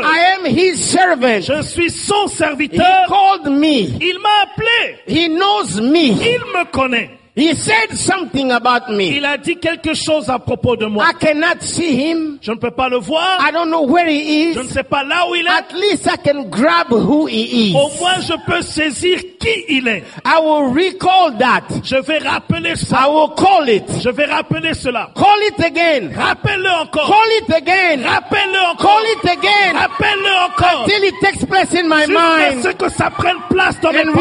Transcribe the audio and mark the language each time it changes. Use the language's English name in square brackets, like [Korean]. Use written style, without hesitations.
[English] I am his servant. [French] Je suis son serviteur. [English] He called me. [French] Il m'a appelé. [English] He knows me. [French] Il me connaît. [English] He said something about me. [French] Il a dit quelque chose à propos de moi. [English] I cannot see him. [French] Je ne peux pas le voir. [English] I don't know where he is. [French] Je ne sais pas là où il est. [English] At least I can grab who he is. [French] Au moins je peux saisir qui il est. [English] I will recall that. [French] Je vais rappeler ça. [English] I will call it. [French] Je vais rappeler cela. [English] Call it again. [French] Rappelle-le encore. [English] Call it again. [French] Rappelle-le encore. [English] Call it again. [French] Rappelle-le encore. [English] Until it takes place in my mind. [French] Jusqu'à ce que ça prenne place dans mes pensées.